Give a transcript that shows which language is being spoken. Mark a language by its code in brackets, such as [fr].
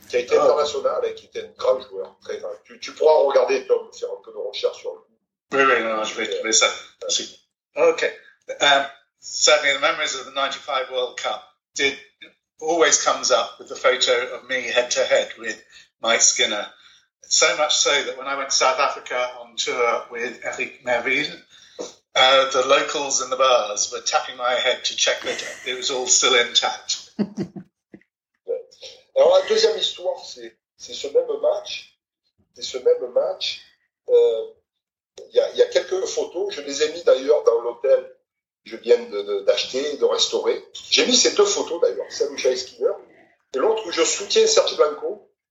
[fr] Qui a été international et qui était un grand joueur. Très grand. Tu pourras regarder, Tom, faire un peu de recherche sur lui. Oui, je vais trouver ça. Merci. OK. [en] Certainly, the memories of the 95 World Cup always comes up with the photo of me head to head with Mike Skinner. So much so that when I went to South Africa on tour with Eric Merville, The locals in the bars were tapping my head to check that it was all still intact. [fr] Alors la deuxième histoire, c'est ce même match. C'est ce même match. Il y a quelques photos. Je les ai mis d'ailleurs dans l'hôtel que je viens d'acheter, de restaurer. J'ai mis ces deux photos d'ailleurs, celle où j'ai Skinner et l'autre où je soutiens Serge Blanco.